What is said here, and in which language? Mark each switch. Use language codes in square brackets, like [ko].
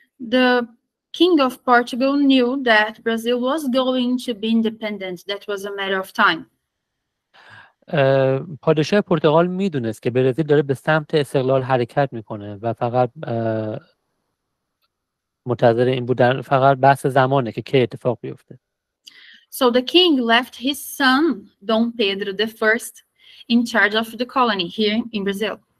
[en] The king of Portugal knew that Brazil was going to be independent. That was a matter of time. [fa] پادشاه پرتغال میدونست که برزیل داره به سمت استقلال حرکت میکنه و فقط منتظر این بودن، فقط بحث زمانه که کی اتفاق بیفته. [en] So the king left his son Dom Pedro the First in charge of the colony here in Brazil.